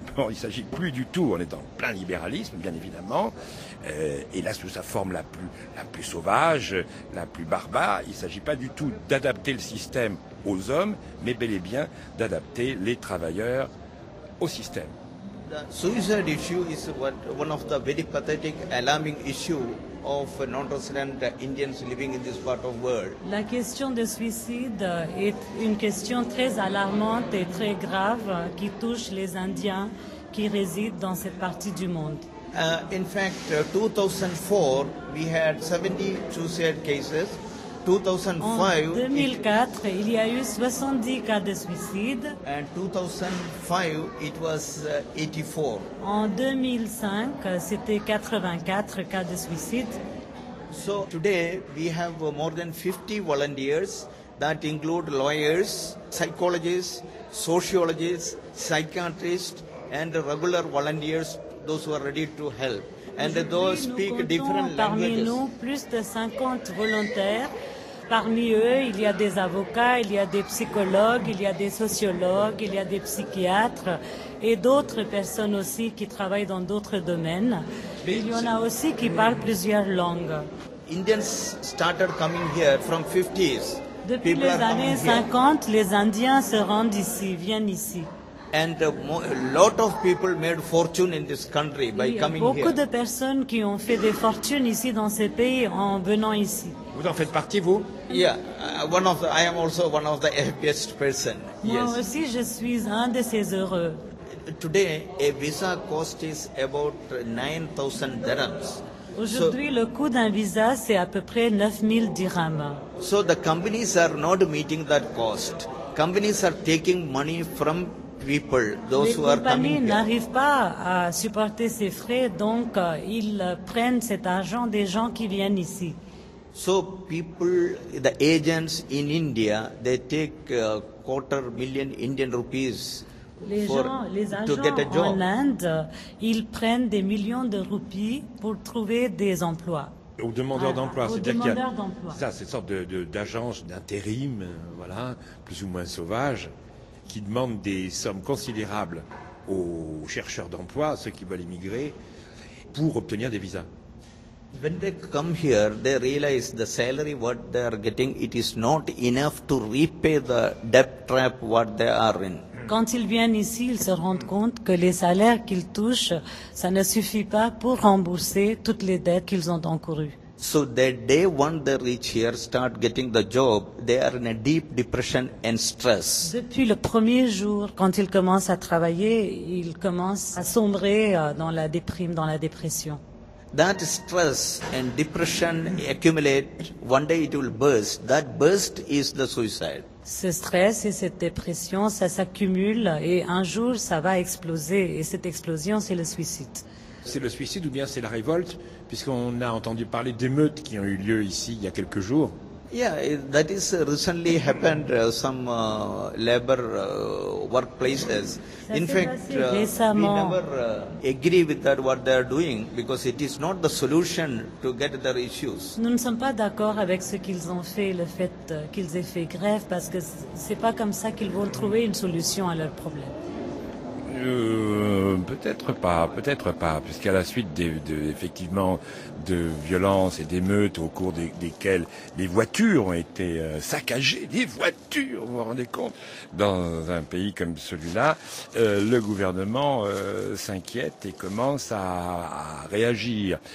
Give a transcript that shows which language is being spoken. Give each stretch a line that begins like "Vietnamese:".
French: Bon, il ne s'agit plus du tout, on est en plein libéralisme, bien évidemment, et là, sous sa forme la plus sauvage, la plus barbare, il ne s'agit pas du tout d'adapter le système aux hommes, mais bel et bien d'adapter les travailleurs au système.
English: The suicide issue is one of the very pathetic, alarming issue of non-resident Indians living in this part of the world.
French: La question de suicide est une question très alarmante et très grave qui touche les Indiens qui résident dans cette partie du monde.
English: In fact, 2004, we had 70 suicide cases. 2005,
French: en 2004, il y a eu 70 cas de suicide.
English: And 2005, it was 84.
French: En 2005, c'était 84 cas de suicide.
English: So today we have more than 50 volunteers that include lawyers, psychologists, sociologists, psychiatrists, and regular volunteers, those who are ready to help. And those speak different languages.
French: Parmi nous, plus de 50 volontaires. Parmi eux, il y a des avocats, il y a des psychologues, il y a des sociologues, il y a des psychiatres et d'autres personnes aussi qui travaillent dans d'autres domaines. Il y en a aussi qui parlent plusieurs langues.
English: Indians started coming here from 50s.
French: Depuis les années 50, les Indiens se rendent ici, viennent ici.
English: And a lot of people made fortune in this country by coming here.
French: Beaucoup de personnes qui ont fait des fortunes ici dans ce pays en venant ici. Vous en faites partie, vous?
English: Yeah, I am also one of the happiest person.
French: Moi aussi, je suis un de ces heureux.
English: Today, a visa cost is about 9,000 dirhams.
French: Aujourd'hui, le coût d'un visa, c'est à peu près 9,000 dirhams.
English: So the companies are not meeting that cost. Companies are taking money from people, those who are coming here.
French: Les compagnies n'arrivent pas à supporter ces frais, donc ils prennent cet argent des gens qui viennent ici.
English: So people, the agents in India, they take a quarter million Indian rupees to get a job.
French: Les gens en Inde, ils prennent des millions de roupies pour trouver des emplois. Aux demandeurs d'emploi. Aux demandeurs d'emploi. Ça, c'est une sorte d'agence d'intérim, voilà, plus ou moins sauvage, qui demande des sommes considérables aux chercheurs d'emploi, ceux qui veulent immigrer, pour obtenir des visas.
English: When they come here, they realize the salary what they are getting, it is not enough to repay the debt trap what they are in.
French: Quand ils viennent ici, ils se rendent compte que les salaires qu'ils touchent, ça ne suffit pas pour rembourser toutes les dettes qu'ils ont encourues.
English: So the day when they reach here, start getting the job, they are in a deep depression and stress.
French: Depuis le premier jour, quand ils commencent à travailler, ils commencent à sombrer dans la déprime, dans la dépression.
English: That stress and depression accumulate, one day it will burst. That burst is the suicide.
French: Ce stress et cette dépression, ça s'accumule et un jour ça va exploser. Et cette explosion, c'est le suicide. C'est le suicide ou bien c'est la révolte, puisqu'on a entendu parler d'émeutes qui ont eu lieu ici il y a quelques jours.
English: Yeah, that is recently happened some labor workplaces. In fact, we never agree with that what they are doing because it is not the solution to get their issues.
French: Nous ne sommes pas d'accord avec ce qu'ils ont fait, le fait qu'ils aient fait grève, parce que c'est pas comme ça qu'ils vont trouver une solution à leur problème. Peut-être pas, puisqu'à la suite effectivement de violences et d'émeutes au cours desquelles les voitures ont été saccagées, des voitures, vous vous rendez compte, dans un pays comme celui-là, le gouvernement s'inquiète et commence à réagir.